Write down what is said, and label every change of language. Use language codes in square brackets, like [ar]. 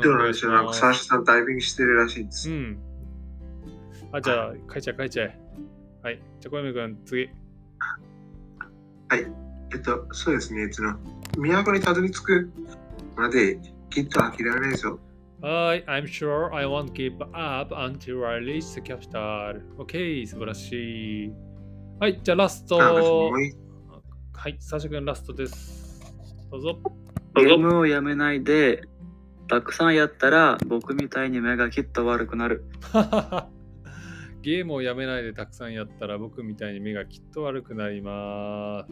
[ja] どうなんでしょう、なんかサーシャさんダイビングしてるらしいんです。うん。あ、じゃあ、書いちゃう、書いちゃう。はい。じゃあ、小泉くん、次。はい。そうですね、その都にたどり着くまできっと諦めないぞ。 [en] I'm sure I won't give up until I reach the capital. [ja] OK、 素晴らしい。はい、じゃあラスト。はい、サシャ君ラストです、どうぞ。ゲームをやめないでたくさんやったら僕みたいに目がきっと悪くなる。ゲームをやめないでたくさんやったら僕みたいに目がきっと悪くなります。